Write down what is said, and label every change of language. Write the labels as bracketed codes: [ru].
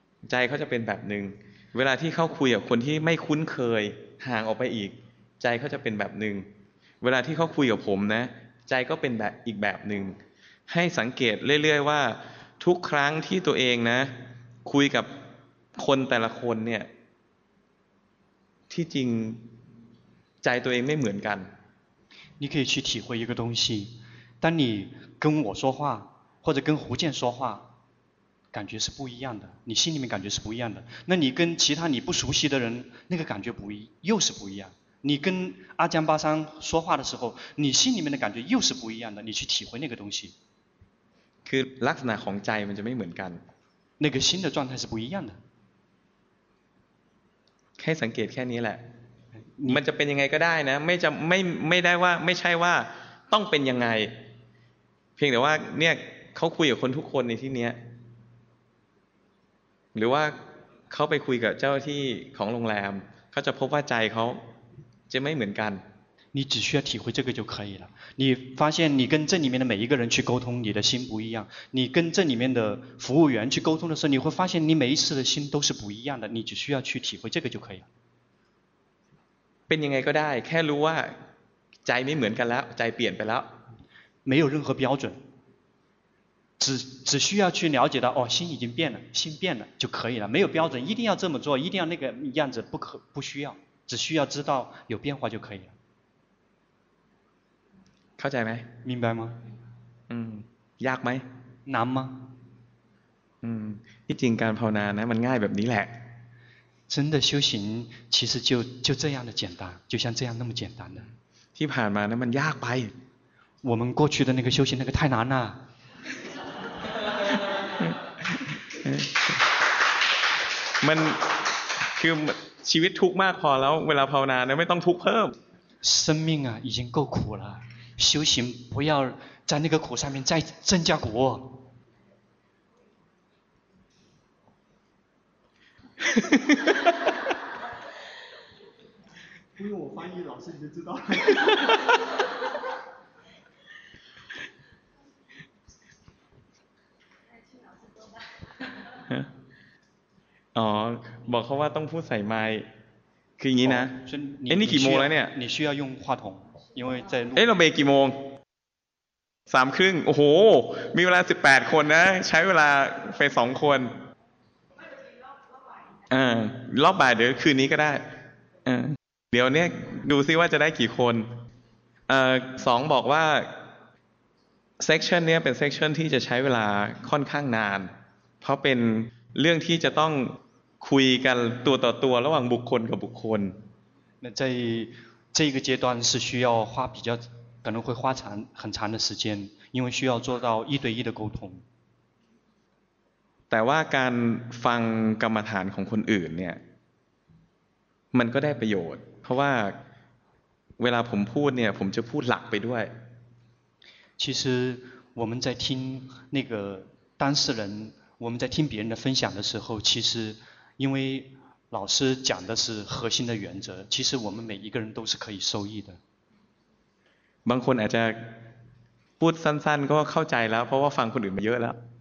[th] ใจเขาจะเป็นแบบหนึ่งเวลาที่เขาคุยกับคนที่ไม่คุ้นเคยห่างออกไปอีกใจเขาจะเป็นแบบหนึ่งเวลาที่เขาคุยกับผมนะใจก็เป็นแบบอีกแบบนึงให้สังเกตเรื่อยๆว่าทุกครั้งที่ตัวเองนะคุยกับคนแต่ละคนเนี่ยที่จริงใจตัวเองไม่เหมือนกัน [zh] 你可以去体会一个东西当你跟我说话或者跟胡建说话感觉是不一样的你心里面感觉是不一样的那你跟其他你不熟悉的人那个感觉不一又是不一样你跟阿江巴桑说话的时候你心里面的感觉又是不一样的你去体会那个东西 [th] คือลักษณะของใจมันจะไม่เหมือนกัน [zh] 那个心的状态是不一样的。 [th] แค่สังเกตแค่นี้แหละมันจะเป็นยังไงก็ได้นะไม่จะไม่ได้ว่าไม่ใช่ว่าต้องเป็นยังไงเพียงแต่ว่าเนี่ยเขาคุยกับคนทุกคนในที่เนี้ยหรือว่าเขาไปคุยกับเจ้าที่ของโรงแรมเขาจะพบว่าใจเขาจะไม่เหมือนกัน [zh] 你只需要体会这个就可以了。你发现你跟这里面的每一个人去沟通，你的心不一样。你跟这里面的服务员去沟通的时候，你会发现你每一次的心都是不一样的。你只需要去体会这个就可以了。 [th] เป็นยังไงก็ได้แค่รู้ว่าใจไม่เหมือนกันแล้วใจเปลี่ยนไปแล้ว [zh] 没有任何标准，只需要去了解到哦，心已经变了，心变了就可以了。没有标准，一定要这么做，一定要那个样子，不需要，只需要知道有变化就可以了。 [th] เข้าใจไหม [zh] 明白吗 [th] ยากไหม [zh] 难吗 [th] ที่จริงการภาวนานะมันง่ายแบบนี้แหละ [zh] 真的修行其实就这样的简单就像这样那么简单的 [th] ที่ผ่านมานะมันยากไป [zh] 我们过去的那个修行那个太难了 [th] มันคือชีวิตทุกข์มากพอแล้วเวลาภาวนานะไม่ต้องทุกข์เพิ่ม [zh] 生命啊已经够苦了修行不要在那个苦上面再增加苦。不用我翻译，老师你就知道。 [th] 哦，บอกเขาว่าต้องพูดใส่ไมค์คืออย่างนี้นะ 哎， [zh] 你几 [th] โมงแล้วเนี่ย [zh] 你需要用话筒。因为在 [th] เอ๊ะเราเบรกกี่โมง3ครึ่งโอ้โหมีเวลา18คนนะใช้เวลาไป2คนรอบบ่ายเดี๋ยวคืนนี้ก็ได้เดี๋ยวเนี่ยดูซิว่าจะได้กี่คน2บอกว่าเซกชันเนี้ยเป็นเซกชันที่จะใช้เวลาค่อนข้างนานเพราะเป็นเรื่องที่จะต้องคุยกันตัวต่อตัวระหว่างบุคคลกับบุคคล นะใจ [zh] 这个阶段是需要花比较可能会花长很长的时间因为需要做到一对一的沟通 [th] แต่ว่าการฟังกรรมฐานของคนอื่นเนี่ยมันก็ได้ประโยชน์เพราะว่าเวลาผมพูดเนี่ยผมจะพูดหลักไปด้วย [zh] 其实我们在听那个当事人我们在听别人的分享的时候其实因为老师讲的是核心的原则其实我们每一个人都是可以受益的 [th] บางคนอาจจะพูดสั้นๆก็เข้าใจแล้วเพราะว่าฟังคนอื่นมาเยอะแล้ว